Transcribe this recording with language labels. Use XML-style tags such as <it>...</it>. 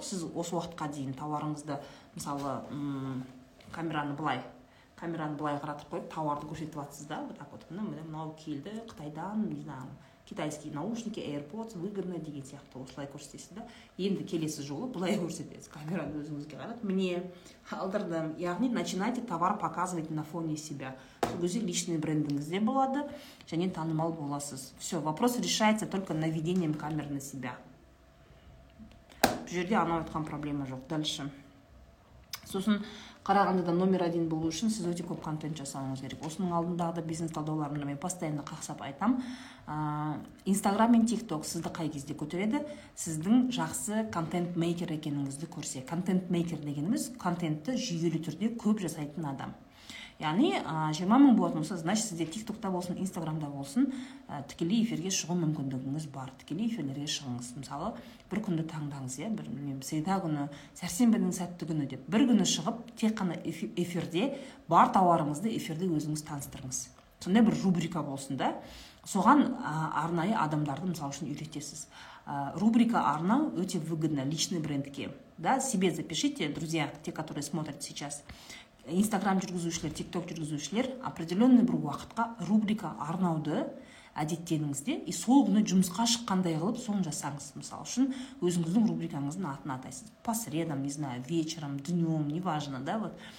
<kk>Сіз осы уақытқа дейін тауарыңызды, мысалы, камераны былай қаратып қойып, тауарды көрсетіп атсыз да,</kk> <ru>вот так вот,</ru> <kk>мынау келді Қытайдан,</kk> <ru>не знаю, китайский наушники,</ru> <kk>AirPods, выгодно деген сияқты осылай көрсетесіз да, енді келесі жолы былай көрсетесіз, камераны өзіңізге қаратып, міне, алдырдым, яғни</kk> <ru>начинайте товар показывать на фоне себя,</ru> <kk>сол кезде личный брендіңізде болады, және танымал боласыз.</kk> <ru>Все, вопрос решается только наведением камер на себя.</ru> <kk>Бұл жерде анау айтқан проблема жоқ.</kk> <ru>Дальше.</ru> <kk>Сосын Қарағандыда</kk> <ru>номер один</ru> <kk>болу үшін сіз өте көп контент жасауыңыз керек. Осының алдындағы да бизнес талдауларымды мен постоянно қақсап айтам. Инстаграм мен ТикТок сізді қай кезде көтереді? Сіздің жақсы контент-мейкер екеніңізді көрсе. Контент-мейкер дегеніміз контентті жүйелі түрде көп жасайтын адам. Яғни 20 мың болатын болса,</kk> <ru>значит,</ru> <kk>сізде ТикТокта болсын, Инстаграмда болсын, тікелей эфирге шығу мүмкіндігіңіз бар. Тікелей эфирлерге шығыңыз. Мысалы, бір күнді таңдаңыз, я, бір білмеймін, сейда күні, сәрсенбінің сәтті күні деп, бір күні шығып, тек қана эфирде бар тауарыңызды эфирде өзіңіз таныстырыңыз. Сондай бір рубрика болсын да, соған арнайы адамдарды, мысалы үшін, үйретесіз. Рубрика арна өте</kk> <ru>выгодна личный брендке. Да, себе запишите, друзья, те, которые смотрят сейчас.</ru> <kk>Инстаграм жүргізушілер, ТикТок жүргізушілер определенный бір уақытқа рубрика арнауды әдеттеніңізде, и сол күні жұмысқа шыққандай қылып соны жасаңыз. Мысалы үшін, өзіңіздің рубрикаңыздың атын атайсыз.</kk> <ru>По средам, не знаю, вечером, днем, неважно, да, вот.</ru>